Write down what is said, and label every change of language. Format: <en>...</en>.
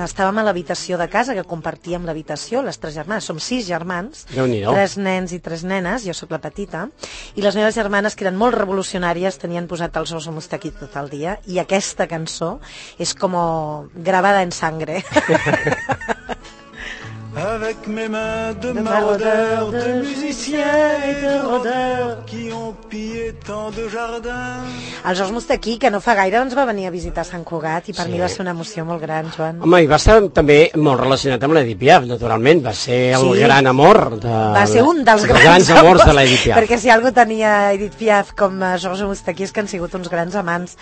<ca>Estàvem a l'habitació de casa, que compartíem l'habitació, les tres germanes. Som sis germans, tres nens i tres nenes, jo sóc la petita, i les meves germanes, que eren molt revolucionàries, tenien posat els ous a Moustaki tot el dia, i aquesta cançó és com gravada en sangre.</ca> <fr>Avec mes mains de maraudeurs, de musiciens et de rôdeurs qui ont pillé tant de jardins.</fr> <ca>Els Ors Moustaki, que no fa gaire, doncs va venir a visitar Sant Cugat, i per mi va ser una emoció molt gran, Joan. Home, i va estar també molt relacionat amb l'Edith Piaf, naturalment. Va ser el gran amor de... Va ser un dels grans amors de l'Edith Piaf. Perquè si algú tenia Edith Piaf com els Ors Moustaki, és que han sigut uns grans amants.</ca>